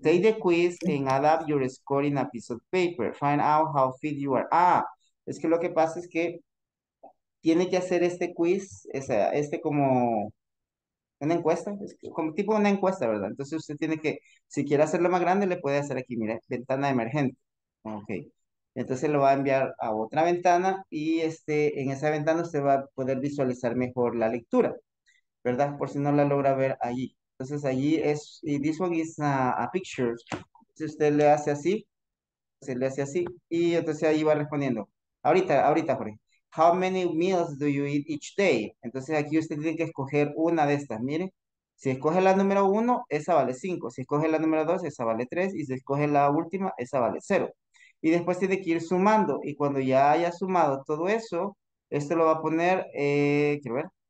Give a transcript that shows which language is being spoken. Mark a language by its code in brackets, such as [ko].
[en] Take the quiz and adapt your score in a piece of paper. Find out how fit you are. [es] Ah, es que lo que pasa es que tiene que hacer este quiz, este como... Una encuesta, es como tipo una encuesta, ¿verdad? Entonces usted tiene que, si quiere hacerlo más grande, le puede hacer aquí, mira, ventana emergente. Ok. Entonces lo va a enviar a otra ventana y este, en esa ventana usted va a poder visualizar mejor la lectura, ¿verdad? Por si no la logra ver allí. Entonces allí es, y [en] this one is a picture. [es] Si usted le hace así, se le hace así y entonces ahí va respondiendo. Ahorita, Jorge. [en] How many meals do you eat each day? [es] Entonces aquí usted tiene que escoger una de estas. Mire, si escoge la número uno, esa vale 5. Si escoge la número 2, esa vale 3. Y si escoge la última, esa vale 0. Y después tiene que ir sumando. Y cuando ya haya sumado todo eso, esto lo va a poner, quiero ver.